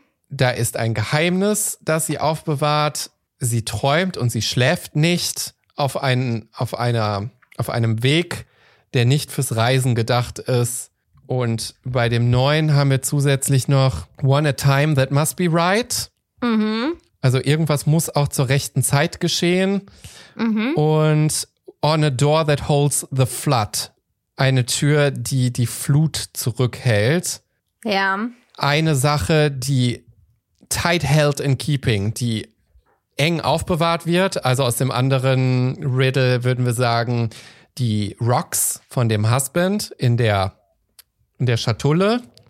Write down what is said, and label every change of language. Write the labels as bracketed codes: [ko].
[de] Da ist ein Geheimnis, das sie aufbewahrt. Sie träumt und sie schläft nicht auf einem Weg, der nicht fürs Reisen gedacht ist. Und bei dem Neuen haben wir zusätzlich noch [en] One a time that must be right. [de] Also irgendwas muss auch zur rechten Zeit geschehen. [en] Und on a door that holds the flood. [de] Eine Tür, die die Flut zurückhält. Ja. Eine Sache, die [en] tight held in keeping, [de] die eng aufbewahrt wird. Also aus dem anderen Riddle würden wir sagen, die Rocks von dem Husband in der Schatulle.